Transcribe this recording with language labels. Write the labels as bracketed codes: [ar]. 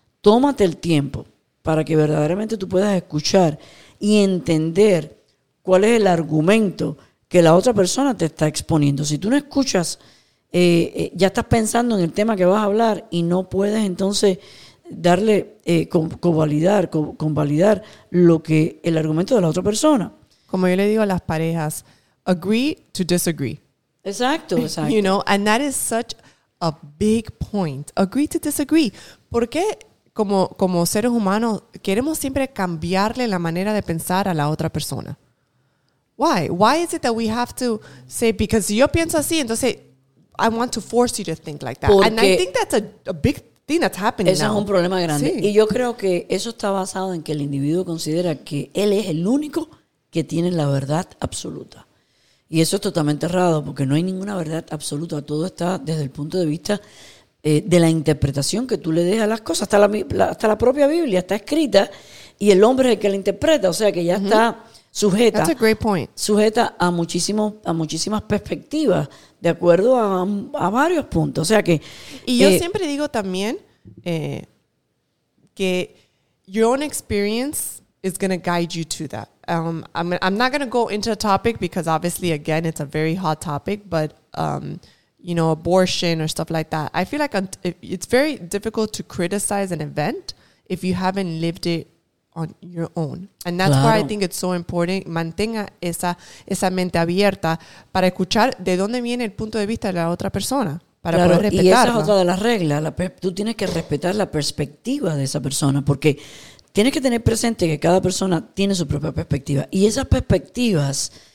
[es] Tómate el tiempo para que verdaderamente tú puedas escuchar y entender cuál es el argumento que la otra persona te está exponiendo. Si tú no escuchas, ya estás pensando en el tema que vas a hablar y no puedes entonces darle, convalidar lo que el argumento de la otra persona. Como yo le digo a las parejas, [en] agree to disagree. [es] Exacto. [en] You know, and that is such a big point. Agree to disagree. [es] ¿Por qué? Como seres humanos, queremos siempre cambiarle la manera de pensar a la otra persona. [en] Why? Why is it that we have to say, because [es] si yo pienso así, entonces [en] I want to force you to think like that. [es] Porque [en] and I think that's a big thing that's happening [es] ese [en] now. [es] Ese es un problema grande. Sí. Y yo creo que eso está basado en que el individuo considera que él es el único que tiene la verdad absoluta. Y eso es totalmente errado, porque no hay ninguna verdad absoluta. Todo está desde el punto de vista de la interpretación que tú le des a las cosas. Hasta la propia Biblia está escrita y el hombre es el que la interpreta, o sea que ya está sujeta. [en] That's a great point. [es] Sujeta a muchísimas perspectivas de acuerdo a varios puntos. O sea que, y yo siempre digo también que [en] your own experience is going to guide you to that. I'm not going to go into the topic because obviously again it's a very hot topic, but you know, abortion or stuff like that. I feel like it's very difficult to criticize an event if you haven't lived it on your own. And that's [es] claro. [en] Why I think it's so important. [es] Mantenga esa mente abierta para escuchar de dónde viene el punto de vista de la otra persona. Para claro, poder respetarla. Y esa es otra de las reglas. Tú tienes que respetar la perspectiva de esa persona porque tienes que tener presente que cada persona tiene su propia perspectiva. Y esas perspectivas